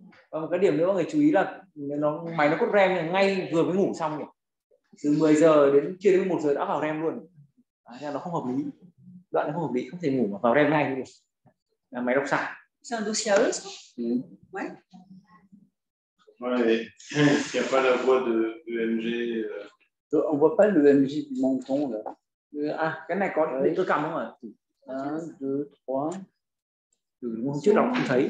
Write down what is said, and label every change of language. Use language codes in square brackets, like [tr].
[vi] Và một cái điểm nữa mọi người chú ý là nó máy nó cốt REM ngay vừa mới ngủ xong nhỉ, từ 10 giờ đến chưa đến 1 giờ đã vào REM luôn, nên nó không hợp lý, đoạn nó không hợp lý, không thể ngủ mà vào REM ngay được, là máy đọc sai. [fr] C'est un dossier. Ouais. Ouais. Y a pas la voix de EMG. On voit pas le EMG du menton là. [vi] Ah, cái này có điện cơ cảm không ạ? 1, 2, 3. Từ hôm trước đọc không thấy.